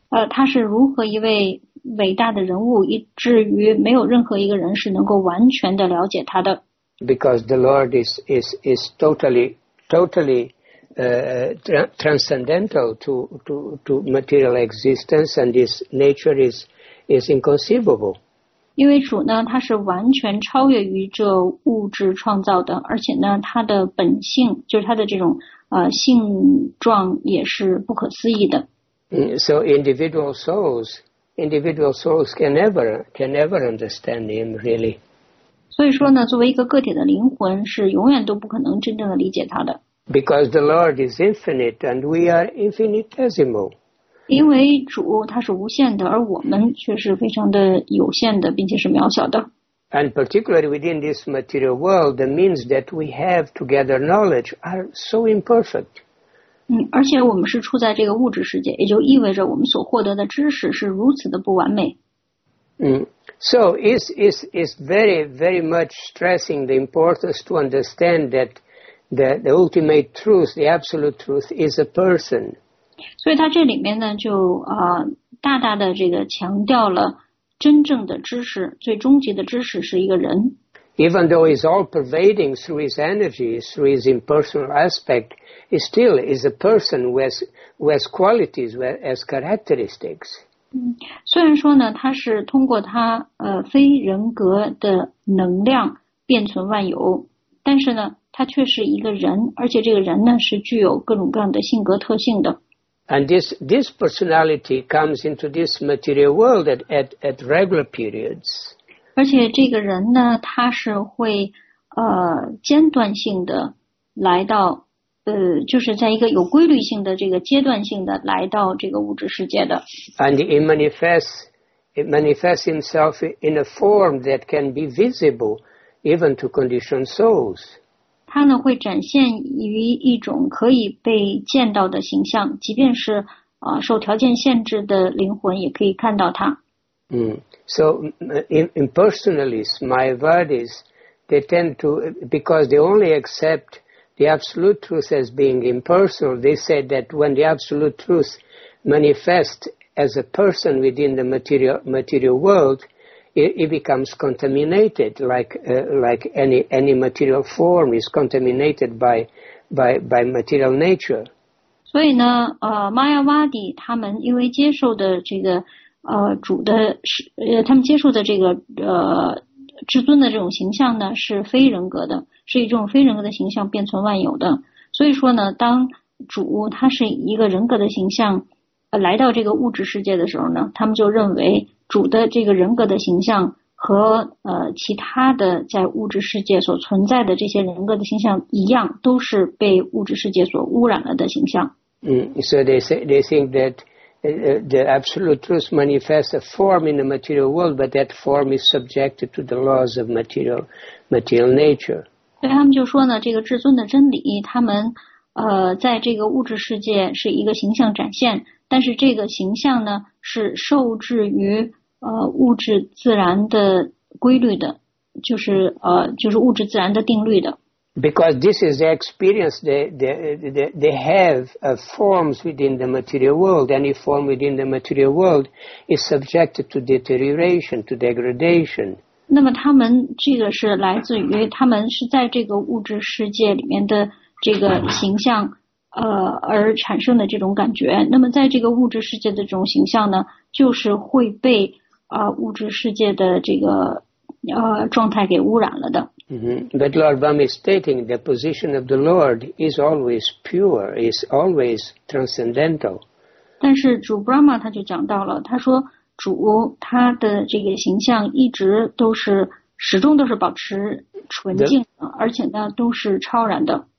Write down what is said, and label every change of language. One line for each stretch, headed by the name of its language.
Chinese: 他是如何一位伟大的人物，以至于没有任何一个人是能够完全的了解他的。
English: Because the Lord is totally transcendental to material existence, and his nature is inconceivable.
Chinese: 因为主呢，他是完全超越于这物质创造的，而且呢，他的本性就是他的这种性状也是不可思议的。
English: So individual souls can never understand him really.
Chinese: 所以说呢，作为一个个体的灵魂，是永远都不可能真正的理解他的。
English: Because the Lord is infinite and we are infinitesimal.
Chinese: 因为主他是无限的，而我们却是非常的有限的，并且是渺小的。
English: And particularly within this material world, the means that we have to gather knowledge are so imperfect.
Chinese: 而且我们是处在这个物质世界，也就意味着我们所获得的知识是如此的不完美。
English: So it's very, very much stressing the importance to understand that the ultimate truth, the absolute truth, is a person.
Chinese: 所以他这里面呢，就大大的这个强调了真正的知识，最终极的知识是一个人。
English: Even though he's all pervading through his energy, through his impersonal aspect, he still is a person who has qualities, who has characteristics.
Chinese: 虽然说呢，他是通过他非人格的能量遍存万有，但是呢，他却是一个人，而且这个人呢是具有各种各样的性格特性的。
English: And this personality comes into this material world at regular periods.
Chinese: 而且这个人呢，他是会间断性的来到就是在一个有规律性的这个阶段性的来到这个物质世界的。
English: And it manifests himself in a form that can be visible even to conditioned souls.
Chinese: 他呢会展现于一种可以被见到的形象，即便是受条件限制的灵魂也可以看到他。
English: So impersonalists, Mayavadis, they tend to, because they only accept the absolute truth as being impersonal, they say that when the absolute truth manifests as a person within the material world, it becomes contaminated, like any material form is contaminated by material nature.
Chinese: 所以呢，Mayavadi 他们因为接受的这个主的他们接受的这个至尊的这种形象呢，是非人格的，是一种非人格的形象，遍存万有的。所以说呢，当主他是一个人格的形象来到这个物质世界的时候呢，他们就认为主的这个人格的形象和其他的在物质世界所存在的这些人格的形象一样，都是被物质世界所污染了的形象。
English: So they think that the absolute truth manifests a form in the material world, but that form is subjected to the laws of material nature.
Chinese: 对他们就说呢，这个至尊的真理，他们在这个物质世界是一个形象展现，但是这个形象呢是受制于物质自然的规律的，就是物质自然的定律的。
English: Because this is the experience they have of forms within the material world. Any form within the material world is subjected to deterioration, to degradation.
Chinese: 那么他们这个是来自于他们是在这个物质世界里面的这个形象而产生的这种感觉。那么在这个物质世界的这种形象呢，就是会被物质世界的这个状态给污染了的。 Mm-hmm.
English: But Lord Brahma is stating the position of the Lord is always pure, is always transcendental.
Chinese: 但是主 Brahma 他就讲到了，他说主他的这个形象一直都是始终都是保持纯净的，而且呢都是超然的。